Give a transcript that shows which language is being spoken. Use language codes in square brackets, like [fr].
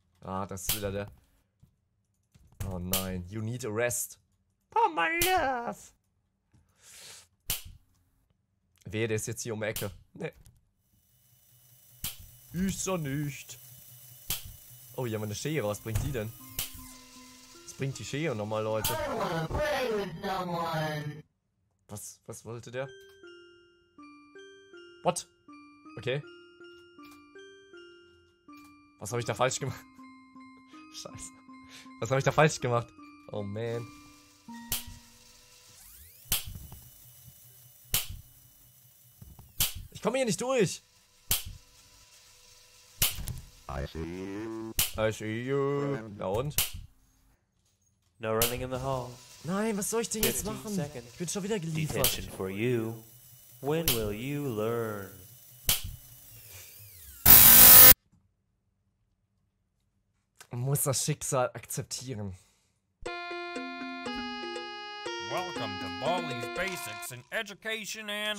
[de] Ah, das ist wieder der. Oh nein, [en] you need a rest. Oh my love. [de] Wer ist jetzt hier um die Ecke? Nee. Ist so nicht. Oh, hier haben wir eine Schere. Was bringt die denn? Was bringt die Schere nochmal, Leute? [en] I wanna play with someone. [de] Was wollte der? [en] What? Okay. [de] Was habe ich da falsch gemacht? Scheiße. Was habe ich da falsch gemacht? Oh man. Ich komme hier nicht durch. [en] I see you. [de] Na und? [en] No running in the hall. [de] Nein, was soll ich denn jetzt machen? Ich bin schon wieder geliefert. [en] Detention for you. When will you learn? [de] Muss das Schicksal akzeptieren. [en] Welcome to Bali's Basics in Education and